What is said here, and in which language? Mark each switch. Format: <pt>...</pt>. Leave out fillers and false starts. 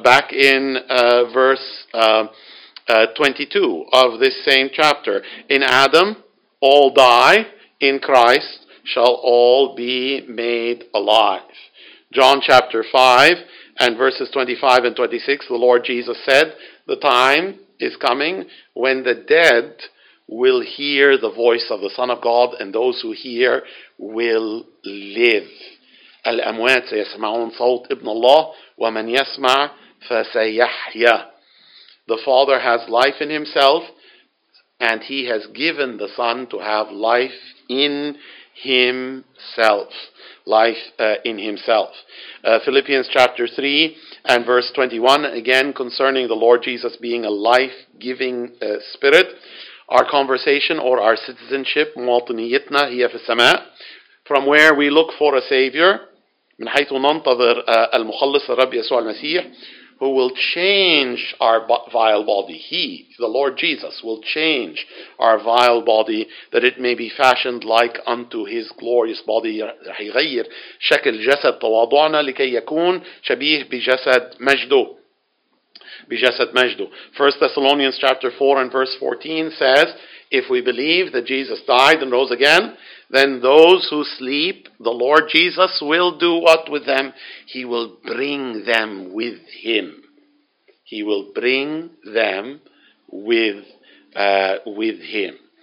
<en>Back in verse 22 of this same chapter, in Adam all die, in Christ shall all be made alive. John chapter 5 and verses 25 and 26, the Lord Jesus said, the time is coming when the dead will hear the voice of the Son of God, and those who hear will live.</en> <ar>الأموات سيسمعون صوت ابن الله ومن يسمع فسيحيا.</ar> <en>The Father has life in himself, and he has given the Son to have life in himself. Philippians chapter 3 and verse 21, again concerning the Lord Jesus being a life-giving spirit. Our conversation or our citizenship,</en> <ar>مواطنيتنا هي في السماء,</ar> <en>from where we look for a Savior,</en> <ar>من حيث ننتظر المخلص الرب يسوع المسيح,</ar> <en>who will change our vile body. He, the Lord Jesus, will change our vile body that it may be fashioned like unto his glorious body.</en> <ar>يغير شكل جسد تواضعنا لكي يكون شبيه بجسد مجده. بجسد مجده.</ar> <en>1 Thessalonians chapter 4 and verse 14 says, if we believe that Jesus died and rose again, then those who sleep, the Lord Jesus will do what with them? He will bring them with him. He will bring them with him.</en>